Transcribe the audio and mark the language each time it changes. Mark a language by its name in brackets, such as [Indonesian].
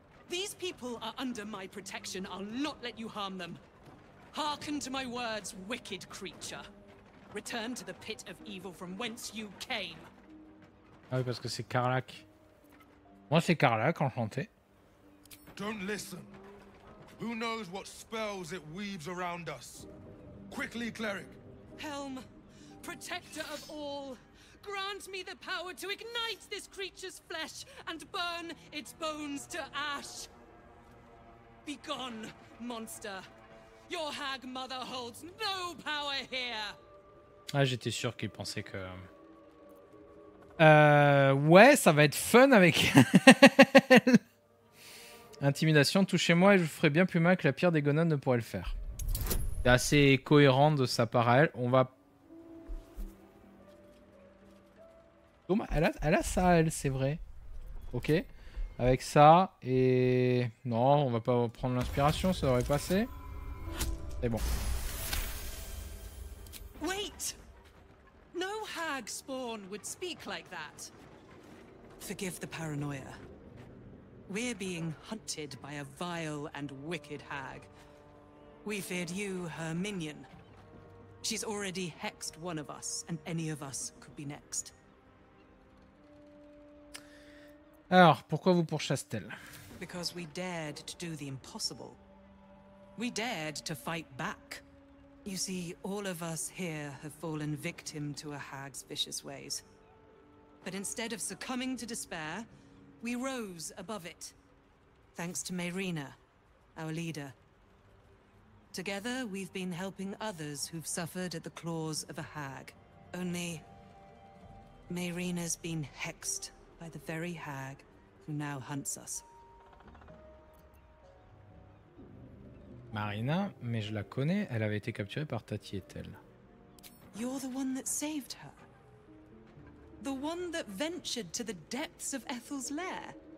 [English] These people are under my protection. I'll not let you harm them. Hearken to my words, wicked creature. Return to the pit of evil from whence you came. [French] Ah oui, parce que c'est Carlac. Moi, c'est Carlac, enchanté. [English] Don't listen. Who knows what spells it weaves around us? Quickly, cleric. Helm, protector of all, grant me the power to ignite this creature's flesh and burn its bones to ash. Be gone, monster. Your hag mother holds no power here. [French] Ah, j'étais sûr qu'il pensait que... ouais, ça va être fun avec elle. Intimidation, touchez-moi et je vous ferai bien plus mal que la pire des gonades ne pourrait le faire. C'est assez cohérent de sa part à elle. On va... Elle a ça, elle, c'est vrai. Ok. Avec ça et... Non, on va pas prendre l'inspiration, ça aurait passé. C'est bon. [English] Wait. No hag spawn would speak like that. Forgive the paranoia. We're being hunted by a vile and wicked hag. We feared you, her minion. She's already hexed one of us, and any of us could be next. [French] Alors, pourquoi vous pourchasse-t-elle? [English] Because we dared to do the impossible. We dared to fight back. You see, all of us here have fallen victim to a hag's vicious ways. But instead of succumbing to despair, we rose above it. Thanks to Mayrina, our leader. Together, we've been helping others who've suffered at the claws of a hag. Only, Mayrina's been hexed by the very hag who now hunts us. [French] Mayrina, mais je la connais, elle avait été capturée par Tati et Tel. [English] You're the one that saved her. The one that ventured to the depths of Ethel's lair.